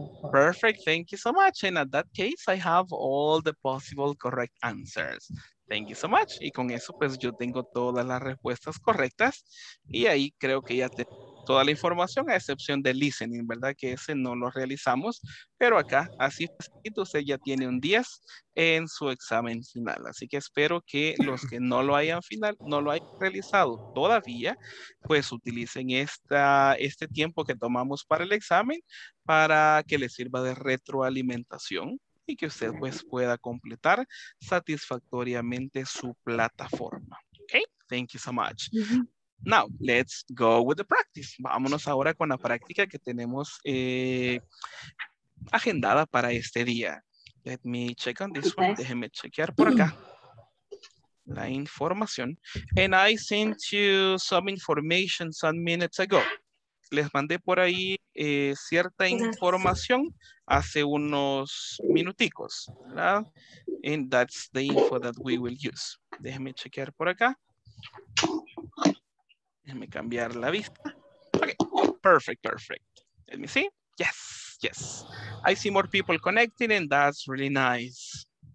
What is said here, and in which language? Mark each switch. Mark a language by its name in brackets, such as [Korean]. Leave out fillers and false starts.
[English] Perfect. Thank you so much. And at that case, I have all the possible correct answers. Thank you so much. [Spanish] Y con eso, pues, yo tengo todas las respuestas correctas. Y ahí creo que ya tengo toda la información, a excepción de listening, ¿verdad? Que ese no lo realizamos. Pero acá, así es. Usted ya tiene un 10 en su examen final. Así que espero que los que no lo hayan final, no lo hayan realizado todavía, pues, utilicen este tiempo que tomamos para el examen para que les sirva de retroalimentación. Y que usted, pues, pueda completar satisfactoriamente su plataforma. [English] Okay? Thank you so much. Now, let's go with the practice. [Spanish] Vámonos ahora con la práctica que tenemos agendada para este día. [English] Let me check on this one. [Spanish] Déjeme chequear por acá la información. [English] And I sent you some information some minutes ago. [Spanish] Les mandé por ahí cierta información hace unos minuticos, ¿verdad? [English] And that's the info that we will use. [Spanish] Déjeme chequear por acá. Déjeme cambiar la vista. [English] Okay, perfect, perfect. Let me see. Yes, yes. I see more people connecting and that's really nice.